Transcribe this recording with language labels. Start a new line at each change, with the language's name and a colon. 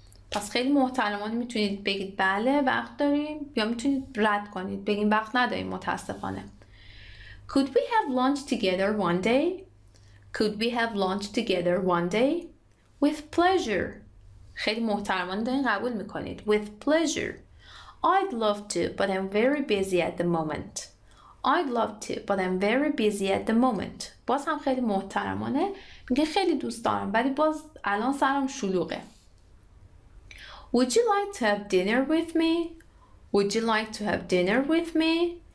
Persian: پس خیلی محترمانه میتونید بگید بله وقت داریم، یا میتونید رد کنید بگید وقت نداریم متاسفانه.
English: Could we have lunch together one day? Could we have lunch together one day? With pleasure.
Persian: خیلی محترمانه دارین قبول میکنید.
English: With pleasure. I'd love to, but I'm very busy at the moment. I'd love to, but I'm very busy at the moment.
Persian: باز هم خیلی محترمانه میگه خیلی دوست دارم ولی باز الان سرم شلوغه.
English: Would you like to have dinner with me? Would you like to have dinner with me?